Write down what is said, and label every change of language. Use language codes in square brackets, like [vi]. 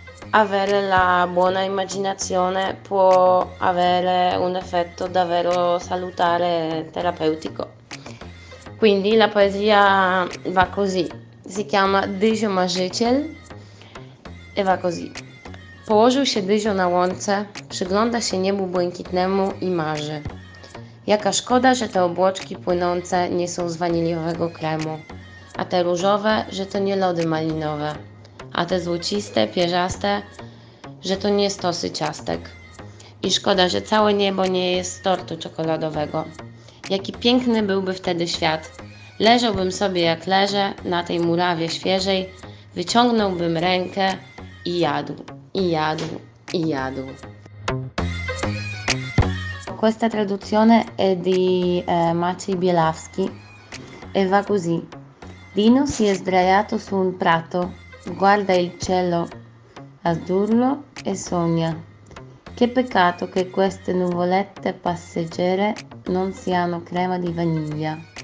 [it] avere la buona immaginazione può avere un effetto davvero salutare e terapeutico. Quindi la poesia va così, si chiama Dyżumarzyciel e va così. [pl] Położył się Dyżo na łące, przygląda się niebu błękitnemu i marzy. Jaka szkoda, że te obłoczki płynące nie są z waniliowego kremu, a te różowe, że to nie lody malinowe, a te złociste, pierzaste, że to nie stosy ciastek. I szkoda, że całe niebo nie jest z tortu czekoladowego. Jaki piękny byłby wtedy świat. Leżałbym sobie jak leżę na tej murawie świeżej, wyciągnąłbym rękę i jadł, i jadł, i jadł. [it] Questa traduzione è di Maciej Bielawski e va così. Dino si è sdraiato su un prato, guarda il cielo azzurro e sogna. Che peccato che queste nuvolette passeggere non siano crema di vaniglia.